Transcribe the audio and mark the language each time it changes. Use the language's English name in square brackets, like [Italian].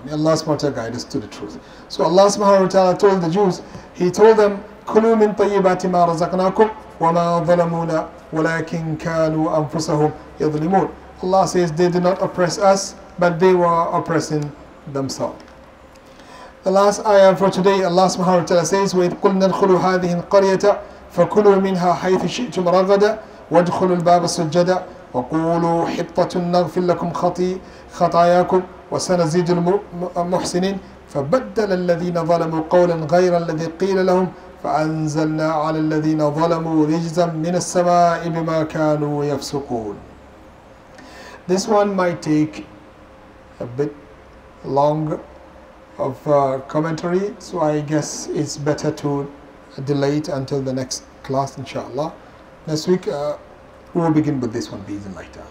[English] May Allah subhanahu wa ta'ala guide us to the truth. So Allah subhanahu wa ta'ala told the Jews, He told them, [Arabic] كُلُوا مِن طَيِّبَاتِ مَا رَزَقْنَاكُمْ وَمَا ظَلَمُونَ وَلَكِنْ كَانُوا أَنفُسَهُمْ يَظْلِمُونَ [English] Allah says they did not oppress us, but they were oppressing themselves. The last ayah for today, Allah subhanahu wa ta'ala says, [Arabic] وَإِذْ قُلْنَا ادْخُلُوا هَذِهِ الْقَرْيَةَ فَكُلُوا مِنْهَا حَيْثِ شِئْتُمْ رَغَدًا وَادْخُلُوا الْبَابَ سُجَّدًا وَقُولُوا حِطَّةٌ نَغْفِرْ لَكُمْ خَطَايَاكُمْ وَسَنَزِيدُ الْمُحْسِنِينَ فَبَدَّلَ الَّذِينَ ظَلَمُوا قَوْلًا غَيْرَ الَّذِي قِيلَ لَهُمْ فَأَنزَلْنَا عَلَى الَّذِينَ ظَلَمُوا رِجْزًا مِنَ السَّمَاءِ بِمَا كَانُوا يَفْسُقُونَ [English] This one might take a bit long of commentary, so I guess it's better to delay it until the next class, inshallah. Next week, we will begin with this one, bismillah.